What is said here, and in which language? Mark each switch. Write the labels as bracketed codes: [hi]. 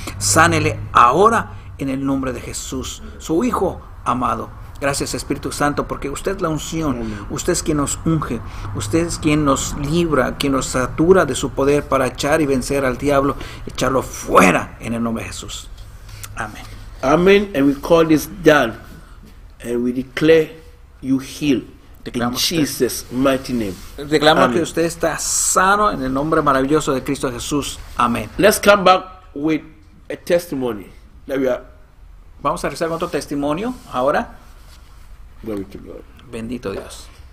[es] Sánele ahora en el nombre de Jesús, su Hijo amado. Gracias, Espíritu Santo, porque usted es la unción, usted es quien nos unge, usted es quien nos libra, quien nos satura de su poder para echar y vencer al diablo, echarlo fuera en el nombre de Jesús. Amén. [en] Amén, and we call this done, and we declare you healed. [es] Declaramos que usted está sano en el nombre maravilloso de Cristo Jesús. Amén. [en] Let's come back with a testimony. There we are. [es] Vamos a regresar con otro testimonio ahora. [en] Glory to God. [es] Bendito Dios.